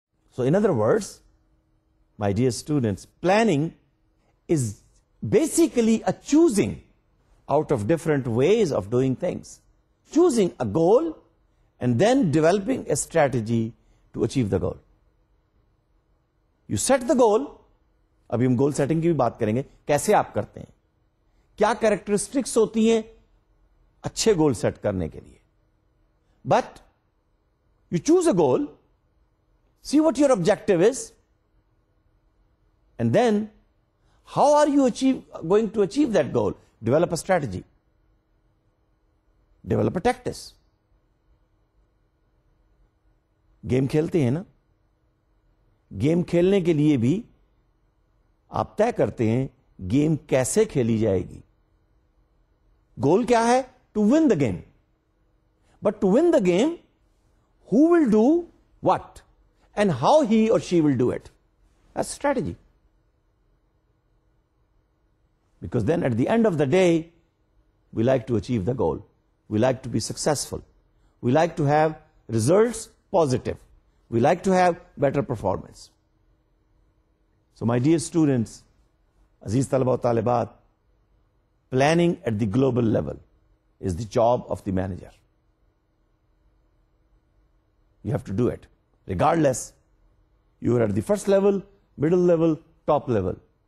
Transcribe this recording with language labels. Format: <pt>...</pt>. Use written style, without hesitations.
<en>So in other words, my dear students, planning is basically a choosing out of different ways of doing things. Choosing a goal and then developing a strategy to achieve the goal. You set the goal.</en> <ur>ابھی ہم goal setting کی بھی بات کریں گے, کیسے آپ کرتے ہیں, کیا کریکٹرسٹکس ہوتی ہیں اچھے گول سیٹ کرنے کے لیے.</ur> <en>But you choose a goal, see what your objective is, and then how are you achieve going to achieve that goal. Develop a strategy, develop a tactics.</en> <ur>Game کھیلتے ہیں نا, گیم کھیلنے کے لیے بھی آپ طے کرتے ہیں گیم کیسے کھیلی جائے گی. گول کیا ہے؟</ur> <en>To win the game. But to win the game, who will do what and how he اور she will do it, strategy. Because then at the end of the day we like to achieve the goal, we like to be successful, we like to have results positive, we like to have better performance. So my dear students,</en> <ur>Aziz Talibah Talibat,</ur> <en>planning at the global level is the job of the manager. You have to do it. Regardless, you are at the first level, middle level, top level.</en>